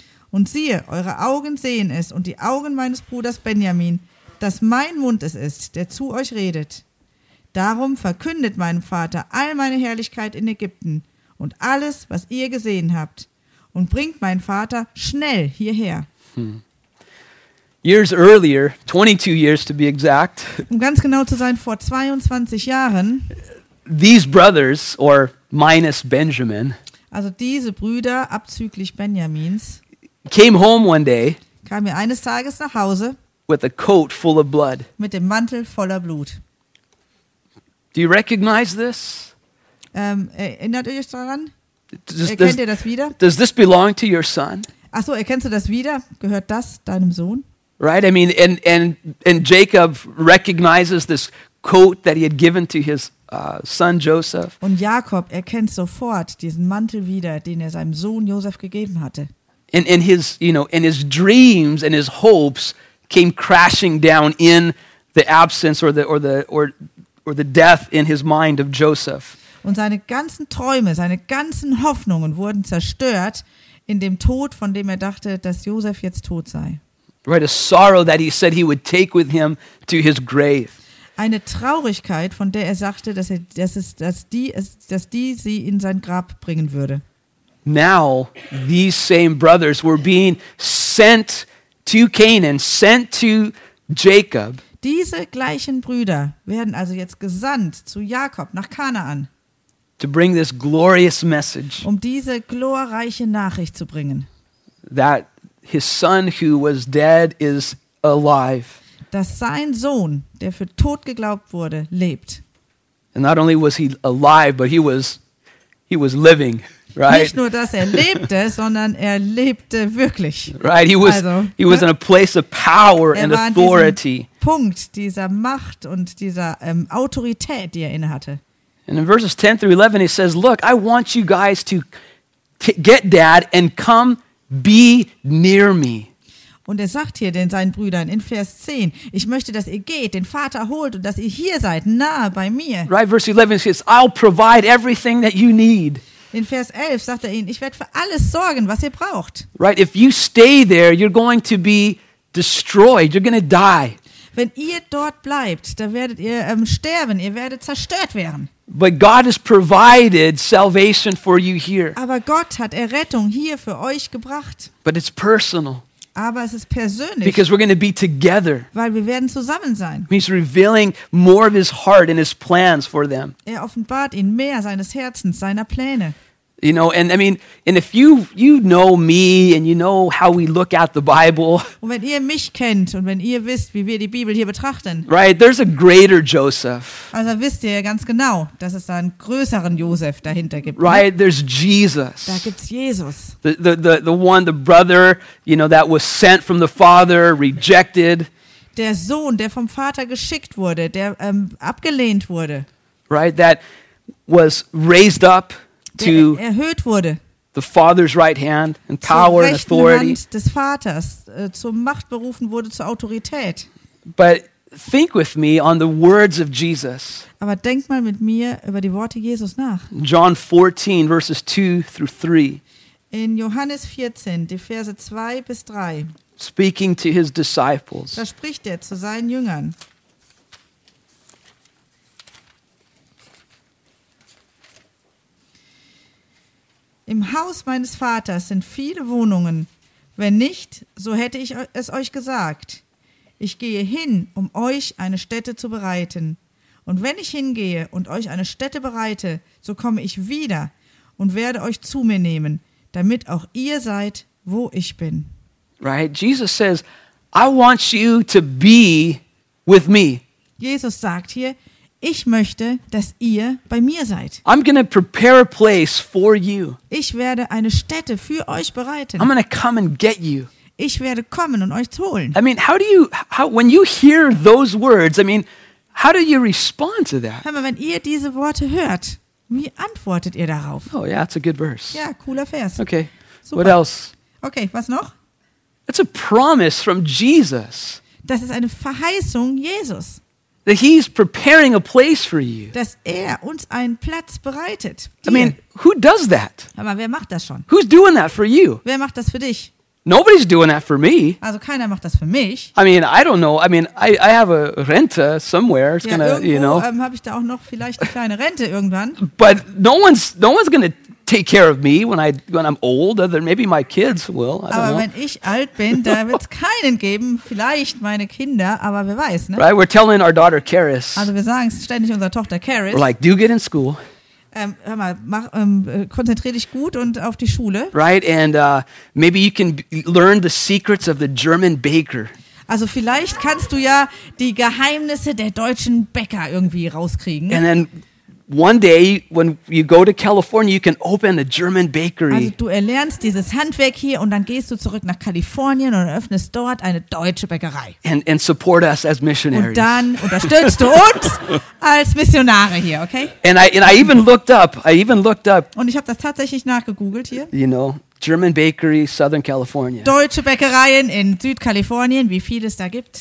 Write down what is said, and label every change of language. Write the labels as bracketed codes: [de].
[de] Und siehe, eure Augen sehen es und die Augen meines Bruders Benjamin, dass mein Mund es ist, der zu euch redet. Darum verkündet meinem Vater all meine Herrlichkeit in Ägypten und alles, was ihr gesehen habt, und bringt meinen Vater schnell hierher. [en] Years earlier, 22 years to be exact. [de] Um ganz genau zu sein, vor 22 Jahren. [en] These brothers, or minus Benjamin. [de] Also diese Brüder abzüglich Benjamins. [en] Came home one day. [de] Kam mir eines Tages nach Hause. [en] With a coat full of blood. [de] Mit dem Mantel voller Blut. [en] Do you recognize this? [de] Erinnert ihr euch daran? Erkennt ihr das wieder? [en] Does this belong to your son? [de] Ach so, erkennst du das wieder? Gehört das deinem Sohn? [en] Right, I mean, and Jacob recognizes this coat that he had given to his son Joseph. [de] Und Jakob erkennt sofort diesen Mantel wieder, den er seinem Sohn Josef gegeben hatte. [en] And his, you know, and his dreams and his hopes came crashing down in the absence or the death in his mind of Joseph. [de] Und seine ganzen Träume, seine ganzen Hoffnungen wurden zerstört in dem Tod, von dem er dachte, dass Joseph jetzt tot sei. [en] Right, a sorrow that he said he would take with him to his grave. [de] Eine Traurigkeit, von der er sagte, dass die sie in sein Grab bringen würde. [en] Now these same brothers were being sent to Canaan, sent to Jacob. [de] Diese gleichen Brüder werden also jetzt gesandt zu Jakob nach Kanaan. [en] To bring this glorious message. [de] Um diese glorreiche Nachricht zu bringen. [en] That his son who was dead is alive. [de] Dass sein Sohn, der für tot geglaubt wurde, lebt. [en] And not only was he alive, but he was living. Right. [de] Nicht nur, dass er lebte, sondern er lebte wirklich. [en] Right, he was in a place of power and authority. [de] Er war an diesem Punkt dieser Macht und dieser Autorität, die er innehatte. [en] And in verses 10 through 11, he says, "Look, I want you guys to get dad and come be near me." [de] Und er sagt hier den seinen Brüdern in Vers 10, ich möchte, dass ihr geht, den Vater holt und dass ihr hier seid, nahe bei mir. [en] Right, verse 11 says, "I'll provide everything that you need." [de] In Vers 11 sagt er ihnen, ich werde für alles sorgen, was ihr braucht. [en] Right, if you stay there, you're going to be destroyed, you're going to die. [de] Wenn ihr dort bleibt, da werdet ihr sterben, ihr werdet zerstört werden. [en] But God has provided salvation for you here. [de] Aber Gott hat Errettung hier für euch gebracht. [en] But it's personal. [de] Aber es ist persönlich. [en] Because we're going to be together. [de] Weil wir werden zusammen sein. [en] He's revealing more of his heart and his plans for them. [de] Er offenbart ihnen mehr seines Herzens, seiner Pläne. [en] You know, and I mean, and if you know me and you know how we look at the Bible. [de] Und wenn ihr mich kennt und wenn ihr wisst, wie wir die Bibel hier betrachten. [en] Right, there's a greater Joseph. [de] Also wisst ihr ganz genau, dass es da einen größeren Josef dahinter gibt. [en] Right, there's Jesus. [de] Da gibt's Jesus. [en] The one, the brother, you know, that was sent from the Father, rejected. [de] Der Sohn, der vom Vater geschickt wurde, der abgelehnt wurde. [en] Right, that was raised up. To [de] erhöht wurde. [en] The Father's right hand and power and authority. [de] Hand des Vaters, zur Macht berufen wurde, zur Autorität. [en] But think with me on the words of Jesus. [de] Aber denk mal mit mir über die Worte Jesus nach. [en] John 14, verses 2 through 3. [de] In Johannes 14, die Verse 2 bis 3. [en] Speaking to his disciples. [de] Da spricht er zu seinen Jüngern. Im Haus meines Vaters sind viele Wohnungen. Wenn nicht, so hätte ich es euch gesagt. Ich gehe hin, um euch eine Stätte zu bereiten. Und wenn ich hingehe und euch eine Stätte bereite, so komme ich wieder und werde euch zu mir nehmen, damit auch ihr seid, wo ich bin. [en] Right? Jesus says, I want you to be with me. [de] Jesus sagt hier, ich möchte, dass ihr bei mir seid. [en] I'm going to prepare a place for you. [de] Ich werde eine Stätte für euch bereiten. [en] I'm going to come and get you. [de] Ich werde kommen und euch holen. [en] I mean, when you hear those words, I mean, how do you respond to that? [de] Hör mal, wenn ihr diese Worte hört, Wie antwortet ihr darauf? [en] Oh yeah, it's a good verse. [de] Ja, cooler Vers. [en] Okay. Super. What else? [de] Okay, was noch? [en] It's a promise from Jesus. [de] Das ist eine Verheißung Jesus. [en] That he's preparing a place for you. [de] Dass er uns einen Platz bereitet. [en] Dir. I mean, who does that? [de] Aber wer macht das schon? [en] Who's doing that for you? [de] Wer macht das für dich? [en] Nobody's doing that for me. [de] Also keiner macht das für mich. [en] I mean, I don't know. I mean, I have a Rente somewhere. It's ja, gonna, irgendwo, you know. [de] Habe ich da auch noch vielleicht eine kleine Rente irgendwann. [en] But no one's gonna take care of me when I'm old. Other maybe my kids will. I don't know. [de] Wenn ich alt bin, da wird es keinen geben. Vielleicht meine Kinder, aber wer weiß, ne? [en] Right, we're telling our daughter Karis. [de] Also wir sagen es ständig unserer Tochter Karis. [en] Like, do get in school. [de] Hör mal, mach, konzentrier dich gut und auf die Schule. [en] Right, and maybe you can learn the secrets of the German baker. [de] Also vielleicht kannst du ja die Geheimnisse der deutschen Bäcker irgendwie rauskriegen. [en] And then one day when you go to California, you can open a German bakery. [de] Also du erlernst dieses Handwerk hier und dann gehst du zurück nach Kalifornien und eröffnest dort eine deutsche Bäckerei. [en] And support us as missionaries. [de] Und dann unterstützt du uns als Missionare hier, okay? [en] And I even looked up. [de] Und ich habe das tatsächlich nachgegoogelt hier. [en] You know, German bakery, Southern California. [de] Deutsche Bäckereien in Südkalifornien, wie viel es da gibt.